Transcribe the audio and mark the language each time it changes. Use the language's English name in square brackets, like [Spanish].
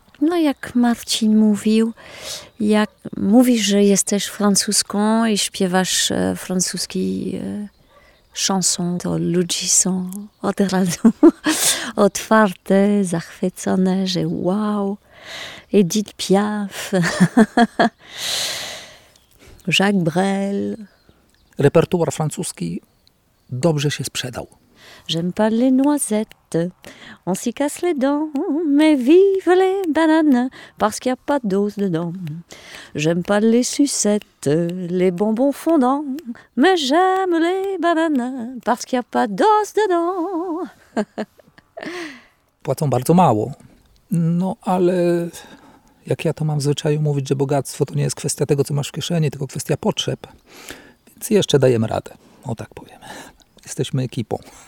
[Polish] No jak Marcin mówił, jak mówisz, że jesteś francuską i śpiewasz francuski chanson, to ludzie są od razu otwarte, zachwycone, że wow, Edith Piaf, Jacques Brel. Repertuar francuski dobrze się sprzedał. [French] J'aime pas les noisettes, on s'y casse les dents, mais vive les bananes, parce qu'il n'y a pas d'eau dedans. J'aime pas les sucettes, les bonbons fondants, mais j'aime les bananes, parce qu'il n'y a pas d'eau dedans. [Polish] Płacą bardzo mało. No, ale jak ja to mam w zwyczaju mówić, że bogactwo to nie jest kwestia tego, co masz w kieszeni, tylko kwestia potrzeb. Więc jeszcze dajemy radę, o tak powiem. Jesteśmy ekipą.